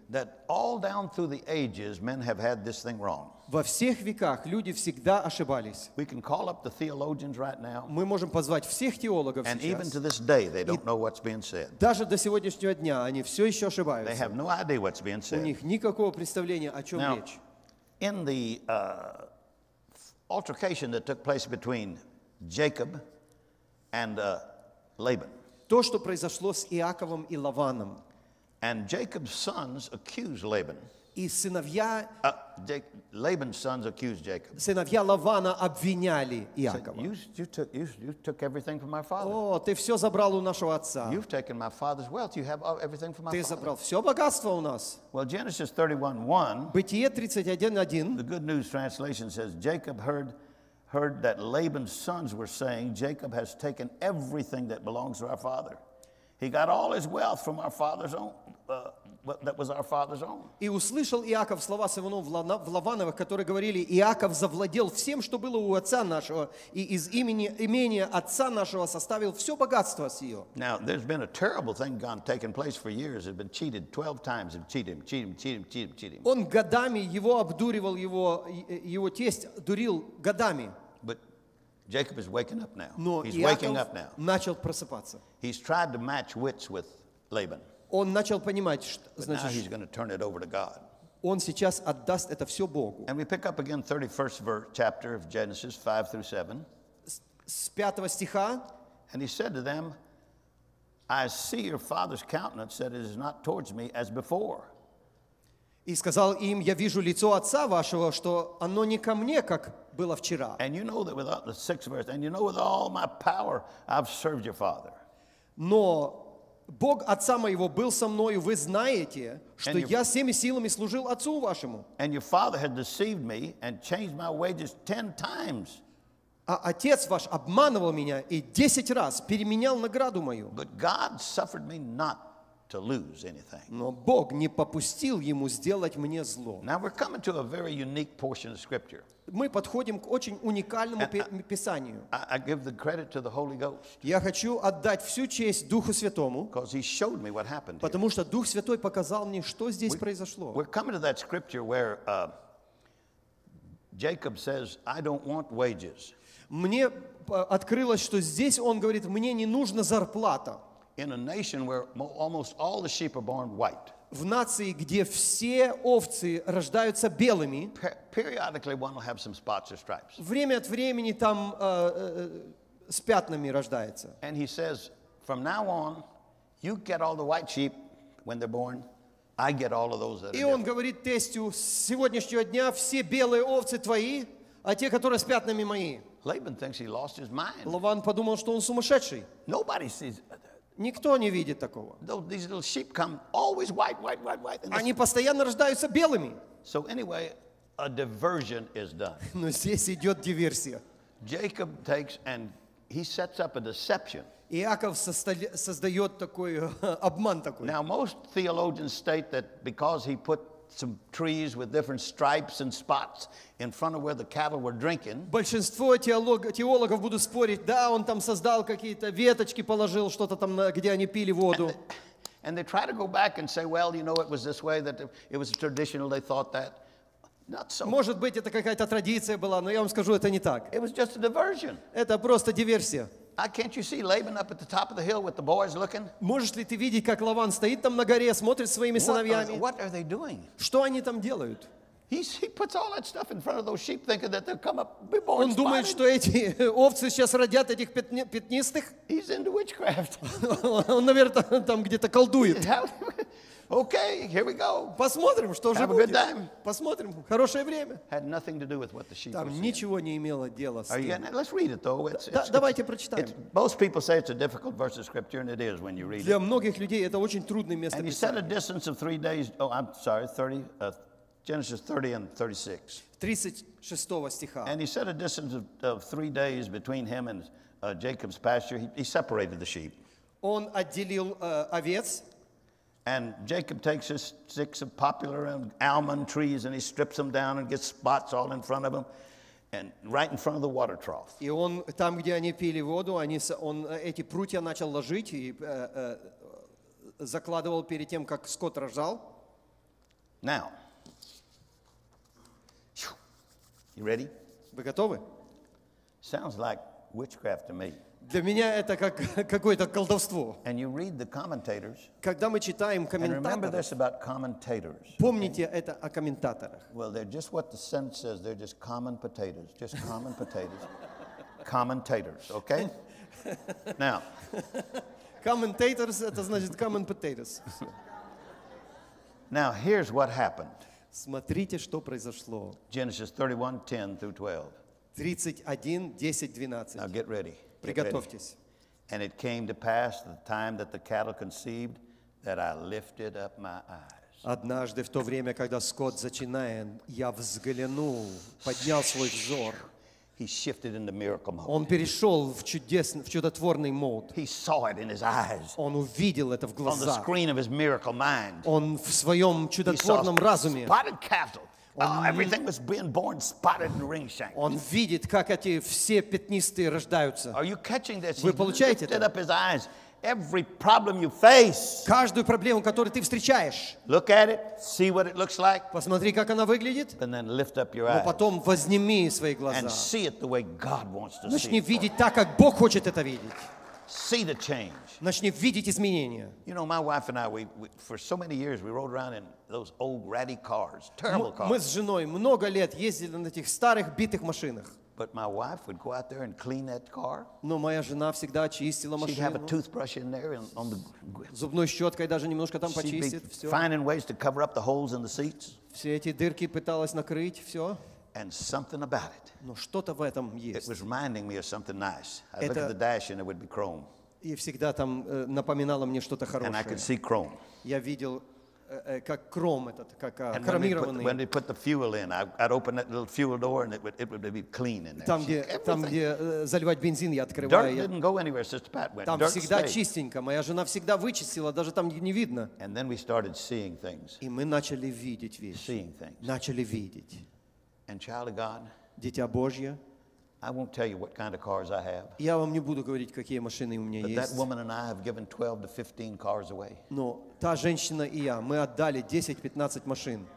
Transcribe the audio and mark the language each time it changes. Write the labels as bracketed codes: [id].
[ru] Во всех веках люди всегда ошибались. Мы можем позвать всех теологов сейчас. Даже до сегодняшнего дня они все еще ошибаются. У них никакого представления, о чем речь. [en] Altercation that took place between Jacob and Laban. [ru] То, что произошло с Иаковом и Лаваном. [en] And Jacob's sons accused Laban. [ru] И сыновья [en] Laban's sons accused Jacob. [ru] Сыновья Лавана обвиняли Иакова. [en] You took everything from my father. [ru] О, ты все забрал у нашего отца. [en] You've taken my father's wealth. You have everything from my father. [ru] Ты забрал все богатство у нас. [en] Well, Genesis 31:1. [ru] Бытие 31:1. [en] The Good News translation says Jacob heard that Laban's sons were saying, "Jacob has taken everything that belongs to our father. He got all his wealth from our father's own." That was our father's own. [ru] И услышал Иаков слова сынов Лавановых, которые говорили: Иаков завладел всем, что было у отца нашего, и из имения отца нашего составил все богатство сие. [en] Now there's been a terrible thing gone taking place for years. He's been cheated 12 times. Cheated him. [ru] Он годами его обдуривал, его тесть дурил годами. [en] But Jacob is waking up now. [ru] Но [en] he's waking up now. [ru] Начал просыпаться. [en] He's tried to match wits with Laban. [ru] Он начал понимать, что, значит, он сейчас отдаст это все Богу. [en] And we pick up again 31st verse, chapter of Genesis 5 through 7. [ru] С 5 стиха. [en] And he said to them, I see your father's countenance that it is not towards me as before. [ru] И сказал им, я вижу лицо отца вашего, что оно не ко мне, как было вчера. [en] And you know that without the 6th verse, and you know with all my power, I've served your father. [ru] Но Бог отца моего был со мною, вы знаете, что я всеми силами служил отцу вашему. [en] And your father had deceived me and changed my wages 10 times. [ru] А отец ваш обманывал меня и 10 раз переменял награду мою. [en] But God suffered me not to lose anything. [ru] Но Бог не попустил ему сделать мне зло. [en] Now we're coming to a very unique portion of scripture. [ru] Мы подходим к очень уникальному писанию. [en] I give the credit to the Holy Ghost. [ru] Я хочу отдать всю честь Духу Святому, [en] because he showed me what happened here. [ru] Потому что Дух Святой показал мне, что здесь произошло. [en] We're coming to that scripture where Jacob says, "I don't want wages." [ru] Мне открылось, что здесь он говорит, мне не нужна зарплата. [en] In a nation where almost all the sheep are born white. [ru] В нации, где все овцы рождаются белыми, [en] periodically one will have some spots or stripes. [ru] Время от времени там с пятнами рождается. [en] And he says, from now on, you get all the white sheep when they're born, I get all of those that are different. [ru] И он говорит тестю, с сегодняшнего дня все белые овцы твои, а те, которые с пятнами, мои. [en] Laban thinks he lost his mind. [ru] Лаван подумал, что он сумасшедший. [en] Nobody sees. [ru] Никто не видит такого. [en] These little sheep come always white. [ru] Они постоянно рождаются белыми. [en] So anyway, a diversion is done. [ru] Но здесь идет диверсия. [en] Jacob takes and he sets up a deception. [ru] Иаков создает такой обман такой. [en] Now most theologians state that because he put some trees with different stripes and spots in front of where the cattle were drinking. [ru] Большинство теологов будут спорить, да, он там создал какие-то веточки, положил что-то там, где они пили воду. [en] And they try to go back and say, well, you know, it was this way, that it was traditional, they thought that. Not so. [ru] Может быть, это какая-то традиция была, но я вам скажу, это не так. [en] It was just a diversion. [ru] Это просто диверсия. [en] Can't you see Laban up at the top of the hill with the boys looking? [ru] Можешь ли ты видеть, как Лаван стоит там на горе, смотрит своими сыновьями? [en] What are they doing? [ru] Что они там делают? [en] He puts all that stuff in front of those sheep, thinking that they'll come up be born spotted. [ru] Он думает, что эти овцы сейчас родят этих пятнистых? [en] He's into witchcraft. [ru] Он, наверное, там где-то колдует. [en] Okay, here we go. [ru] Посмотрим, что же будет. [en] Have a good time. [ru] Посмотрим, хорошее время. [en] Had nothing to do with what the sheep [ru] там [en] were saying. [ru] Там ничего не имело дела с ним. [en] Let's read it, though. [ru] Давайте прочитаем. [en] Most people say it's a difficult verse of scripture, and it is when you read it. [ru] Для многих людей это очень трудное место. [en] And he set a distance of 3 days. Oh, I'm sorry, Genesis 30 and 36. [ru] 36 стиха. [en] And he set a distance of 3 days between him and Jacob's pasture. He separated the sheep. [ru] Он отделил овец. [en] And Jacob takes his sticks of poplar and almond trees and he strips them down and gets spots all in front of him. And right in front of the water trough. [ru] И он там, где они пили воду, они он эти прутья начал ложить и закладывал перед тем, как скот рожал. [en] Now. You ready? [ru] Вы готовы? [en] Sounds like witchcraft to me. [ru] Для меня это как какое-то колдовство. [en] And you read the commentators. [ru] Когда мы читаем комментаторов. [en] And remember this about commentators. [ru] Помните это о комментаторах. [en] Well, they're just what the sentence says. They're just common potatoes. Just common potatoes. Commentators, okay? Now. [ru] Commentators это значит [en] common potatoes. Now here's what happened. [ru] Смотрите, что произошло. [en] Genesis 31, 10 through 12. [ru] 31, 10, 12. [en] Now get ready. [ru] Приготовьтесь. [en] And it came to pass the time that the cattle conceived that I lifted up my eyes. [ru] Однажды в то время, когда скот зачинает, я взглянул, поднял свой взор. [en] He shifted into miracle mode. [ru] Он перешел в чудесный, в чудотворный мод. [en] He saw it in his eyes. [ru] Он увидел это в глазах. [en] On the screen of his miracle mind. [ru] Он в своем чудотворном разуме. [en] Spotted cattle. Everything was being born spotted and ring-shanked. [ru] Он видит, как эти все пятнистые рождаются. [en] Are you catching this? [ru] Вы получаете это? [en] Up his eyes. Every problem you face. [ru] Каждую проблему, которую ты встречаешь. [en] Look at it. See what it looks like. [ru] Посмотри, как она выглядит. [en] And then lift up your eyes. [ru] Но потом возними свои глаза. [en] And see it the way God wants to see. [ru] Начни видеть так, как Бог хочет это видеть. [en] See the change. [ru] Начни видеть изменения. [en] You know, my wife and I, we for so many years we rode around in those old ratty cars, terrible cars. [ru] Мы с женой много лет ездили на этих старых битых машинах. [en] But my wife would go out there and clean that car. [ru] Но моя жена всегда чистила машину. [en] She'd have a toothbrush in there on the. [ru] Зубной щеткой даже немножко там почистит все. [en] She'd be finding ways to cover up the holes in the seats. [ru] Все эти дырки пыталась накрыть все. [en] And something about it. [ru] Но что-то в этом есть. [en] It was reminding me of something nice. I looked at the dash and it would be chrome. [ru] И всегда там напоминало мне что-то хорошее. [en] And I could see chrome. [ru] Я видел как хром этот, как хромированный. [en] And when they put the fuel in, I'd open that little fuel door and it would be clean in there. [ru] Там где заливать бензин, я открываю. [en] Dirt didn't go anywhere, Sister Pat went. [ru] Там всегда чистенько. Моя жена всегда вычистила, даже там не видно. [en] And then we started seeing things. [ru] И мы начали видеть вещи. [en] Seeing things. [ru] Начали видеть. [en] And child of God, [ru] дитя Божье, [en] I won't tell you what kind of cars I have. [ru] Я вам не буду говорить, какие машины у меня есть. [en] But that woman and I have given 12 to 15 cars away. [ru] Но та женщина и я, мы отдали 10-15 машин.